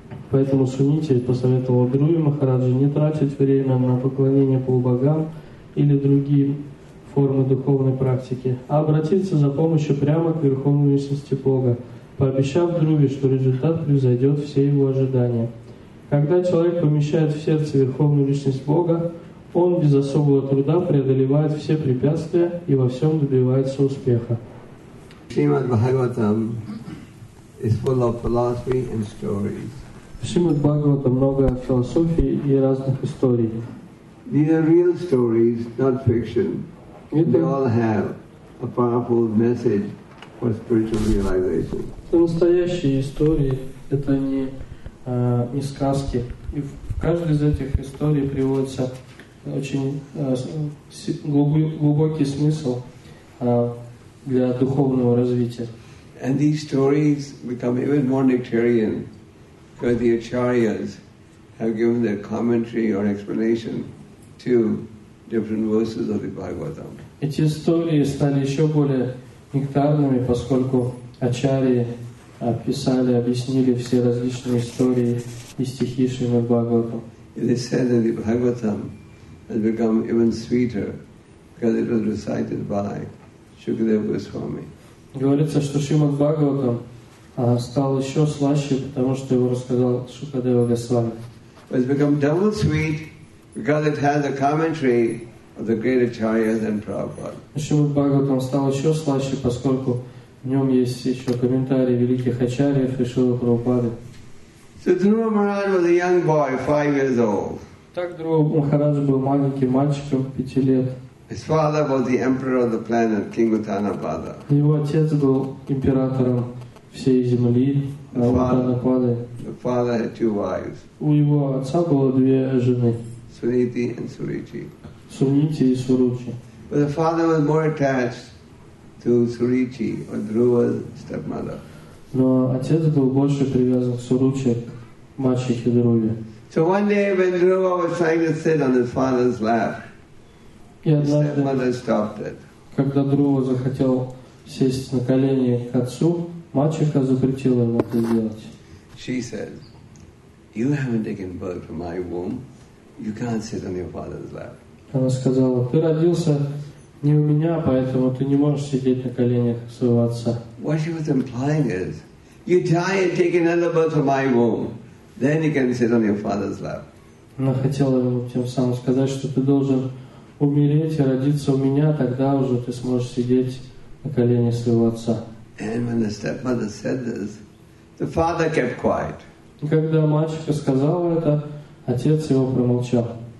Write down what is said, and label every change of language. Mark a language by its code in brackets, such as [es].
[ru] Поэтому Сунити посоветовал Друве Махараджи не тратить время на поклонение полубогам или другие формы духовной практики, а обратиться за помощью прямо к Верховной Личности Бога, пообещав Друве, что результат превзойдет все его ожидания. Когда человек помещает в сердце Верховную Личность Бога, он без особого труда преодолевает все препятствия и во всем добивается успеха. [en] Шримад-Бхагаватам is full of philosophy and stories. [ru] В Шримад-Бхагавате много философии и разных историй. [en] These are real stories, not fiction. They all have a powerful message for spiritual realization. [ru] Это настоящие истории, это не сказки. И в каждой из этих историй приводится очень глубокий смысл для духовного развития. [en] And these stories become even more nectarian because the acharyas have given their commentary or explanation to different verses of the Bhagavatam. [ru] Эти истории стали еще более нектарными, поскольку ачарьи описали, объяснили все различные истории и стихи Шримад Бхагаватам. [en] It is said that the Bhagavatam has become even sweeter because it was recited by Shukadeva Goswami. [ru] Говорится, что Шримад Бхагаватам стал еще слаще, потому что его рассказал Шукадева Госвами. [en] It has become double sweet because it has a commentary of the great acharyas and Prabhupada. [ru] Шримад Бхагаватам стал еще слаще, поскольку в нем есть еще комментарии великих ачарьев и Шрилы Прабхупады. [en] So Dhruva Maharaj was a young boy, 5 years old. [ru] Так Дхрува Махарадж был маленьким мальчиком, 5 лет. [en] His father was the emperor of the planet, King Uttanapada. [ru] Его отец был императором всей земли, Уттанапады. [en] The father had two wives. [ru] У его отца было две жены. [en] Suniti and Suruchi. [ru] Сунити и Суручи. [en] But the father was more attached to Suruchi, or Dhruva's stepmother. [ru] Но отец был больше привязан к Суручи, мачехе Дхруве. [en] So one day when Dhruva was trying to sit on his father's lap, [ru] Когда Друва захотел сесть на колени к отцу, мачеха запретила ему это делать. [en] She said, "You haven't taken birth from my womb. You can't sit on your father's lap." [ru] Она сказала: "Ты родился не у меня, поэтому ты не можешь сидеть на коленях своего отца." [en] What she was implying is, "You die and take another birth from my womb. Then you can sit on your father's lap." [ru] Она хотела ему тем самым сказать, что ты должен умереть и родиться у меня, тогда уже ты сможешь сидеть на колени своего отца. [en] And when the stepmother said this, the father kept quiet. [ru] И когда мальчика сказала это, отец его промолчал.